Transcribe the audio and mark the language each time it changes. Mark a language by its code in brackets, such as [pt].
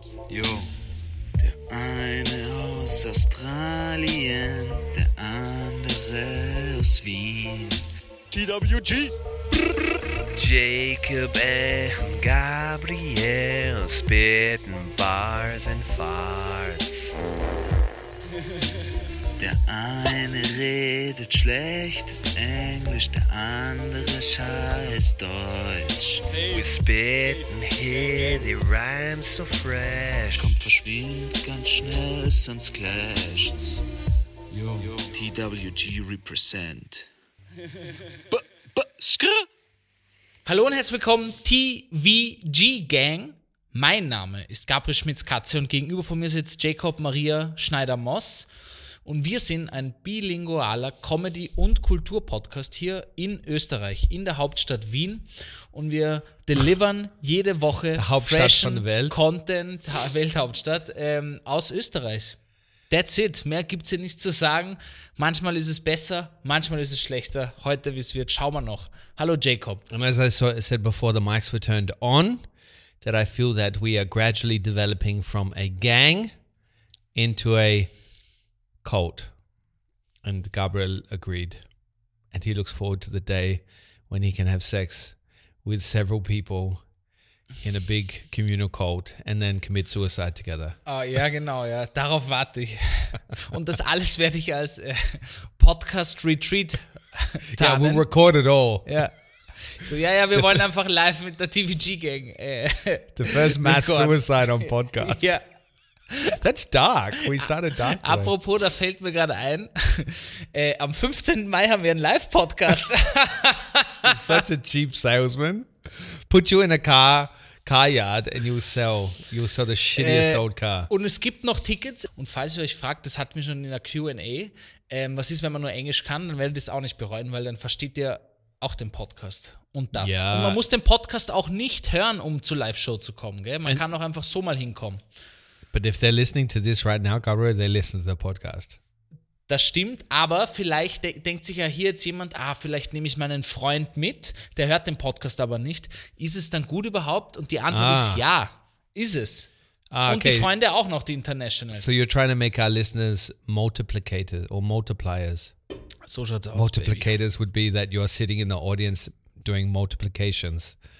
[de] Yo, der eine aus Australien, der andere aus Wien. TWG. [en] Jacob and Gabriel spitting bars and farts. [de] Der eine redet schlechtes Englisch, der andere scheiß Deutsch. [en] We spitten here, the rhymes so fresh. [de] Kommt, verschwind ganz schnell, sonst clasht's. Yo. [en] TWG represent. Skr. [de] Hallo und herzlich willkommen, TVG Gang. Mein Name ist Gabriel Schmitz-Katze und gegenüber von mir sitzt Jacob Maria Schneider-Moss. Und wir sind ein bilingualer Comedy- und Kulturpodcast hier in Österreich, in der Hauptstadt Wien. Und wir delivern jede Woche freshen Content, Welthauptstadt, aus Österreich. [en] That's it. [de] Mehr gibt's hier nicht zu sagen. Manchmal ist es besser, manchmal ist es schlechter. Heute, wie es wird, schauen wir noch. Hallo, Jacob. [en] And as I said before, the mics were turned on, that I feel that we are gradually developing from a gang into a cult. And Gabriel agreed. And he looks forward to the day when he can have sex with several people in a big communal cult and then commit suicide together. [de] Ah, ja, genau, ja. Darauf warte ich. Und das alles werde ich als Podcast-Retreat tarnen. [en] Yeah, we'll record it all. [de] Ja. So, ja, wir wollen einfach live mit der TVG-Gang. [en] The first mass suicide on podcast. [de] Ja. [en] That's dark. We started dark. [de] Apropos, da fällt mir gerade ein. Am 15. Mai haben wir einen Live-Podcast. [en] Such a cheap salesman. Put you in a car yard and you'll sell the shittiest old car. [de] Und es gibt noch Tickets. Und falls ihr euch fragt, das hatten wir schon in der Q&A, was ist, wenn man nur Englisch kann, dann werdet ihr es auch nicht bereuen, weil dann versteht ihr auch den Podcast und das. Ja. Und man muss den Podcast auch nicht hören, um zur Live-Show zu kommen. Gell? Man kann auch einfach so mal hinkommen. [en] But if they're listening to this right now, Gabriel, they listen to the podcast. [de] Das stimmt, aber vielleicht denkt sich ja hier jetzt jemand, vielleicht nehme ich meinen Freund mit, der hört den Podcast aber nicht. Ist es dann gut überhaupt? Und die Antwort ist ja, ist es. Ah, okay. Und die Freunde auch noch, die Internationals. [en] So you're trying to make our listeners multiplicated or multipliers. [de] So schaut's aus, [en] multiplicators, Baby. Would be that you're sitting in the audience doing multiplications.